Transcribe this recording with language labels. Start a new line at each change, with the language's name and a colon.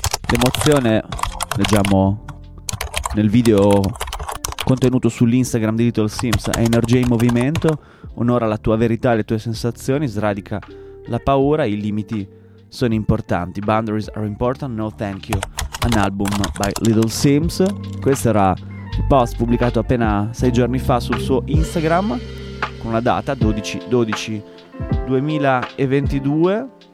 Italian: L'emozione, leggiamo nel video contenuto sull'Instagram di Little Sims, è energia in movimento. Onora la tua verità, le tue sensazioni, sradica la paura, i limiti sono importanti.
English: Boundaries are important, no thank you. An album by Little Sims.
Italian: Questo era il post pubblicato appena 6 giorni fa sul suo Instagram, con la data 12/12/2022.